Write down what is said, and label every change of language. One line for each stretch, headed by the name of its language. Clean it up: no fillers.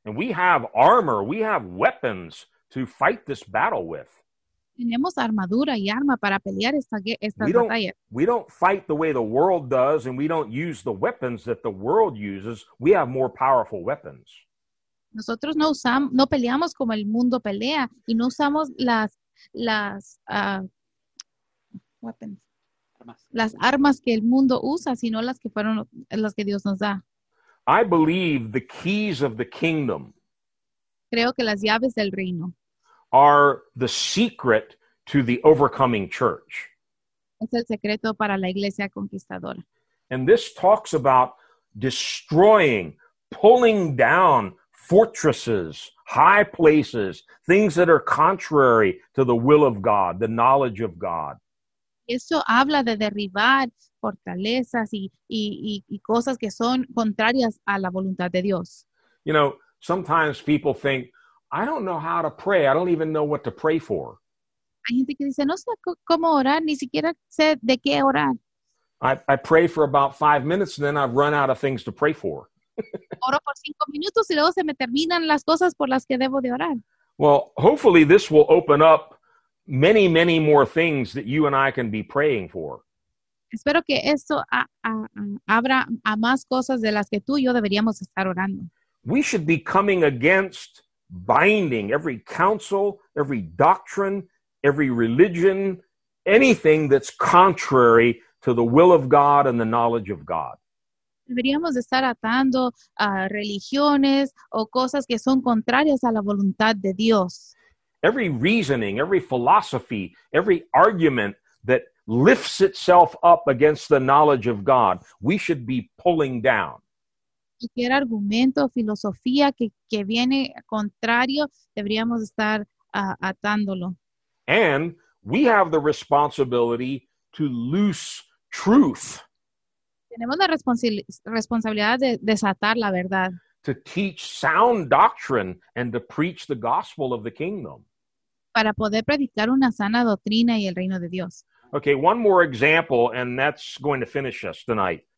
English: And we have armor, we have weapons to fight this battle with.
Spanish: Tenemos armadura y arma para pelear esta batalla.
English: We don't fight the way the world does, and we don't use the weapons that the world uses. We have more powerful weapons.
Spanish: Nosotros no peleamos como el mundo pelea, y no usamos las armas que el mundo usa, sino las que fueron las que Dios nos da.
English: I believe the keys of the kingdom.
Spanish: Creo que las llaves del reino
English: are the secret to the overcoming church.
Spanish: Es el secreto para la iglesia conquistadora.
English: And this talks about destroying, pulling down fortresses, high places, things that are contrary to the will of God, the knowledge of God.
Spanish: Eso habla de derribar fortalezas y cosas que son contrarias a la voluntad de Dios.
English: You know, sometimes people think, I don't know how to pray. I don't even know what to pray for.
Spanish: Hay gente que dice, no sé cómo orar, ni siquiera sé de qué orar.
English: I pray for about 5 minutes and then I've run out of things to pray for.
Spanish: Oro por 5 minutos y luego se me terminan las cosas por las que debo de orar.
English: Well, hopefully this will open up many, many more things that you and I can be praying for.
Spanish: Espero que esto abra a más cosas de las que tú y yo deberíamos estar orando.
English: We should be coming against binding every counsel, every doctrine, every religion, anything that's contrary to the will of God and the knowledge of God.
Spanish: Deberíamos estar atando a religiones o cosas que son contrarias a la voluntad de Dios.
English: Every reasoning, every philosophy, every argument that lifts itself up against the knowledge of God, we should be pulling down.
Spanish: Cualquier argumento o filosofía que viene contrario, deberíamos estar atándolo.
English: And we have the responsibility to loose truth.
Spanish: Tenemos la responsabilidad de desatar la verdad.
English: To teach sound doctrine and to preach the gospel of the kingdom.
Spanish: Para poder predicar una sana doctrina y el reino de Dios.
English: Okay, one more example, and that's going to finish us tonight.